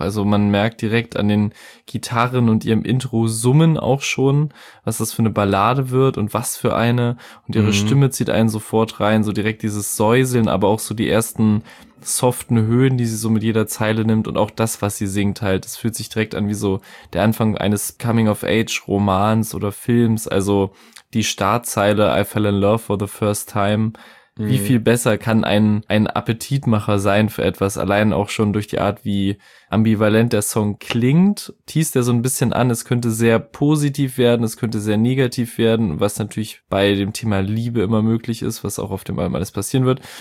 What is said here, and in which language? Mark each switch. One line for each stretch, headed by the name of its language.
German: Also man merkt direkt an den Gitarren und ihrem Intro summen auch schon, was das für eine Ballade wird und was für eine. Und ihre Stimme zieht einen sofort rein, so direkt dieses Säuseln, aber auch so die ersten soften Höhen, die sie so mit jeder Zeile nimmt und auch das, was sie singt halt. Es fühlt sich direkt an wie so der Anfang eines Coming-of-Age-Romans oder Films. Also die Startzeile
English: I fell in love for the first time.
German: Wie viel besser kann ein Appetitmacher sein für etwas? Allein auch schon durch die Art, wie ambivalent der Song klingt, teast er so ein bisschen an. Es könnte sehr positiv werden, es könnte sehr negativ werden, was natürlich bei dem Thema Liebe immer möglich ist, was auch auf dem Album alles passieren wird.